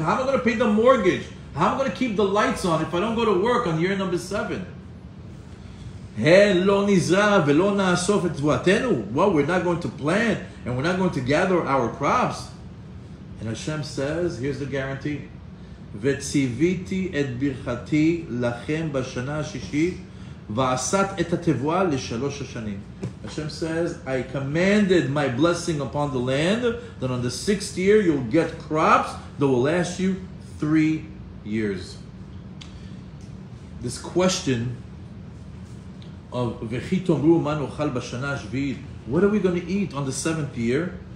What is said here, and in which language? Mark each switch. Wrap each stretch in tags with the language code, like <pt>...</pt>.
<en>How am I going to pay the mortgage? How am I going to keep the lights on if I don't go to work on year number seven? Hey,</en> <he>lo nizra ve'lo na'asof et zvuatenu.</he> <en>Well, we're not going to plant and we're not going to gather our crops. And Hashem says, here's the guarantee.</en> <he>וציוויתי את ברכתי לכם בשנה השישית ועשת את התבואה לשלוש השנים.</he> <en>Hashem says, I commanded my blessing upon the land that on the sixth year you'll get crops that will last you 3 years. This question of</en> <he>וכי תאמרו מה נאכל בשנה השביעית,</he> <en>what are we going to eat on the seventh year?</en>